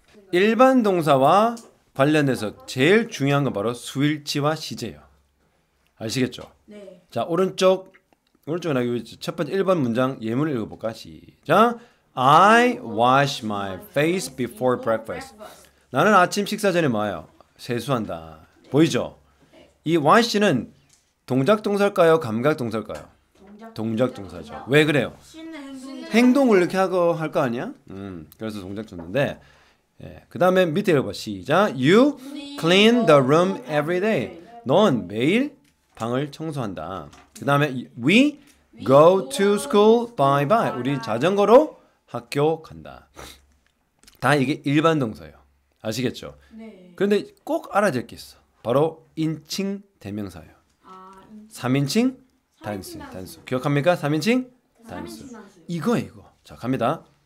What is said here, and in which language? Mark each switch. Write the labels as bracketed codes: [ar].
[ko] 일반 동사와 관련해서 제일 중요한 건 바로 수일치와 시제예요. 아시겠죠? 네. 자, 오른쪽에 나기 위해 첫 번째 1번 문장 예문을 읽어볼까? 시작! [en] I wash my face before breakfast. [ko] 나는 아침 식사 전에 뭐예요? 세수한다. 보이죠? 이 wash는 동작 동사일까요? 감각 동사일까요? 동작 동사죠. 왜 그래요? 행동을 이렇게 하고 할 거 아니야? 그래서 동작 동사인데. 예. 그다음에 밑에 읽어봐. 시작. [en] You clean the room every day. [ko] 넌 매일 방을 청소한다. 그다음에 [en] we go to school by bye. [ko] 우리 자전거로 학교 간다. 다 이게 일반 동사예요. 아시겠죠? 네. 그런데 꼭 알아들 게 있어. 바로 인칭 대명사예요. 3인칭 단수. 단수. 기억합니까? 3인칭 단수. 이거예요, 이거. 자, 갑니다.